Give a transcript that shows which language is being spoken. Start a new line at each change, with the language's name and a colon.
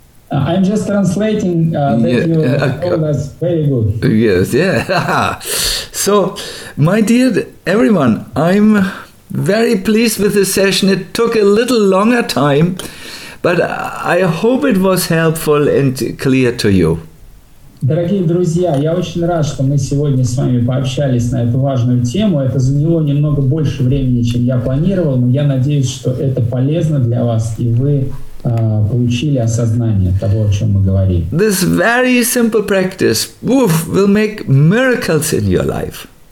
English: I'm just translating that you told us. Very good. Yes, yeah. So, my dear everyone, I'm very pleased with this session. It took a little longer time, but I hope it was helpful and clear to you.
Russian: Дорогие друзья, я очень рад, что мы сегодня с вами пообщались на эту важную тему. Это заняло немного больше времени, чем я планировал, но я надеюсь, что это полезно для вас, и вы получили осознание того, о чем мы говорили.
English: This very simple practice, will make miracles in your life.